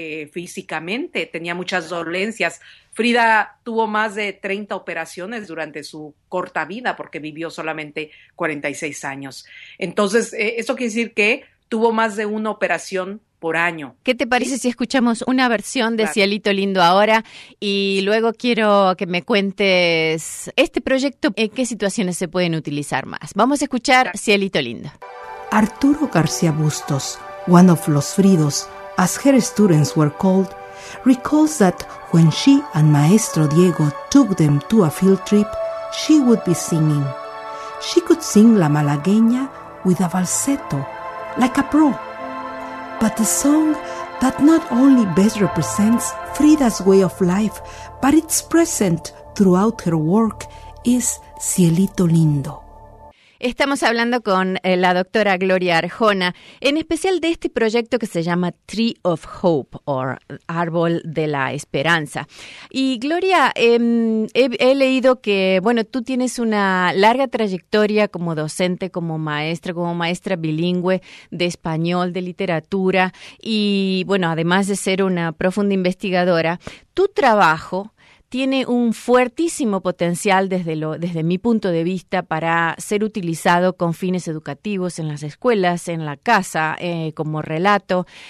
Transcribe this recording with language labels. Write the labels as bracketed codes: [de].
[es] Físicamente, tenía muchas dolencias. Frida tuvo más de 30 operaciones durante su corta vida, porque vivió solamente 46 años. Entonces, eso quiere decir que tuvo más de una operación por año. ¿Qué te parece si escuchamos una versión de Cielito Lindo ahora? Y luego quiero que me cuentes este proyecto, en qué situaciones se pueden utilizar más. Vamos a escuchar Cielito Lindo. [en] Arturo García Bustos, one of los Fridos, as her students were called, recalls that when she and Maestro Diego took them to a field trip, she would be singing. She could sing La Malagueña with a falsetto, like a pro. But the song that not only best represents Frida's way of life, but it's present throughout her work, is Cielito Lindo. [es] Estamos hablando con la doctora Gloria Arjona, en especial de este proyecto que se llama Tree of Hope, o Árbol de la Esperanza. Y Gloria, he leído que, bueno, tú tienes una larga trayectoria como docente, como maestra bilingüe de español, de literatura, y bueno, además de ser una profunda investigadora, tu trabajo tiene un fuertísimo potencial desde mi punto de vista para ser utilizado con fines educativos en las escuelas, en la casa, como relato.